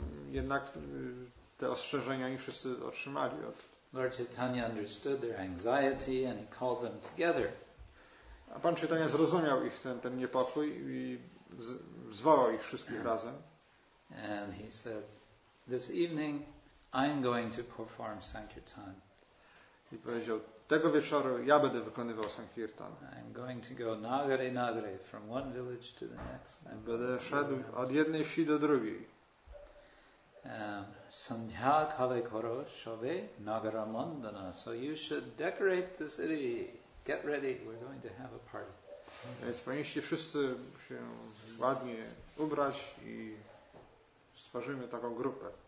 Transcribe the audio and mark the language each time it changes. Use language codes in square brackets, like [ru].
[pl] Jednak te ostrzeżenia oni wszyscy otrzymali od. [en] Lord Chaitanya understood their anxiety and he called them together. [pl] A pan Chaitanya zrozumiał ich ten niepokój i zwołał ich wszystkich razem. [en] And he said, this evening I'm going to perform sankirtan. [pl] I powiedział, tego wieczoru ja będę wykonywał sankirtan. [en] I'm going to go [bn] nagre nagre [en] from one village to the next. [pl] Będę szedł od jednej wsi do drugiej. [bn] Sandhya kale koro shove nagara mandana. [en] So you should decorate the city. Get ready, we're going to have a party. [pl] Więc powinniście wszyscy się ładnie ubrać i stworzymy taką grupę.